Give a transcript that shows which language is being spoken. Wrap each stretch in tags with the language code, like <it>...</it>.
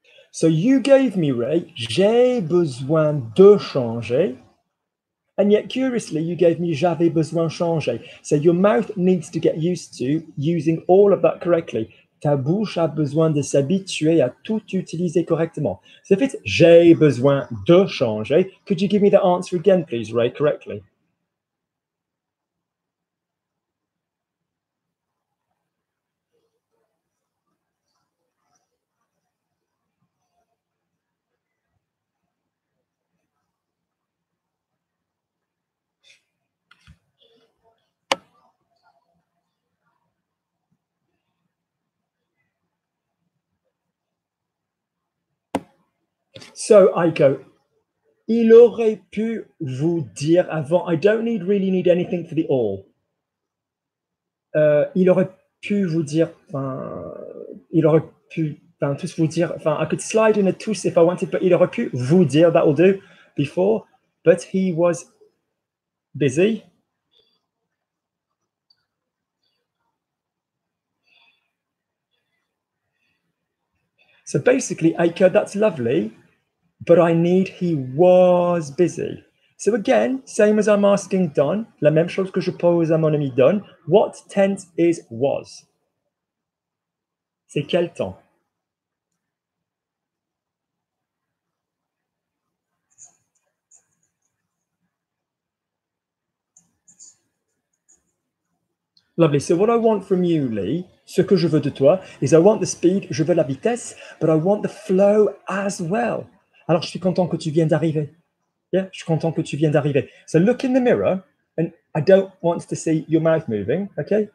<en>So you gave me, Ray,</en> <fr>j'ai besoin de changer.</fr> <en>And yet, curiously, you gave me</en> <fr>j'avais besoin changer.</fr> <en>So your mouth needs to get used to using all of that correctly.</en> <fr>Ta bouche a besoin de s'habituer à tout utiliser correctement.</fr> <en>So if it's</en> <fr>j'ai besoin de changer,</fr> <en>could you give me the answer again, please, Ray, correctly? So I go,</en> <fr>il aurait pu vous dire avant,</fr> <en>I don't really need anything for the all.</en> <fr>Il aurait pu vous dire, enfin, il aurait pu, Ben, tous vous dire, enfin,</fr> <en>I could slide in a tous if I wanted, but</en> <fr>il aurait pu vous dire,</fr> <en>that will do, before, but he was busy. So basically, Aker, that's lovely, but I need, he was busy. So again, same as I'm asking Don,</en> <fr>la même chose que je pose à mon ami Don,</fr> <en>what tense is was?</en> <fr>C'est quel temps?</fr> <en>Lovely. So what I want from you, Lee,</en> <fr>ce que je veux de toi,</fr> <en>is I want the speed,</en> <fr>je veux la vitesse,</fr> <en>but I want the flow as well.</en> <fr>Alors, je suis content que tu viennes d'arriver. Yeah, je suis content que tu viennes d'arriver.</fr> <en>So look in the mirror, and I don't want to see your mouth moving, okay?</en>